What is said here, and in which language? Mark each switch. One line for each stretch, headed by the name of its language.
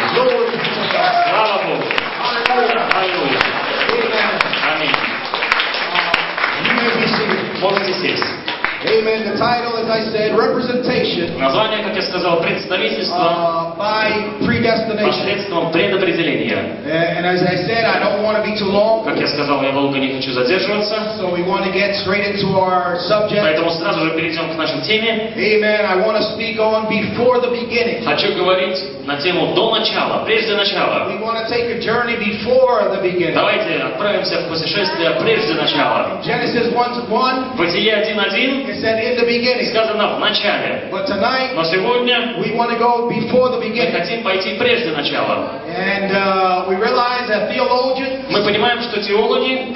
Russian: Слава Богу! Аллилуйя! Аминь! Можете сесть.
English: Amen. The title, as I said, representation.
Russian: Название, как я сказал, представительство.
English: By predestination.
Russian: Посредством предопределения.
English: And as I said, I don't want to be too long.
Russian: Как я сказал, я долго не хочу задерживаться.
English: So we want to get straight into our subject.
Russian: Поэтому сразу же перейдем к нашей теме.
English: Amen. I want to speak on before the beginning.
Russian: Хочу говорить на тему до начала, прежде начала.
English: We want to take a journey before the beginning.
Russian: Давайте отправимся в путешествие прежде начала.
English: Genesis 1:1.
Russian: Бытие 1:1.
English: It said in the beginning.
Russian: Сказано в начале.
English: But tonight,
Russian: но сегодня,
English: we want to go before the beginning.
Russian: Мы хотим пойти прежде начала.
English: And we realize that theologians,
Russian: мы понимаем, что теологи,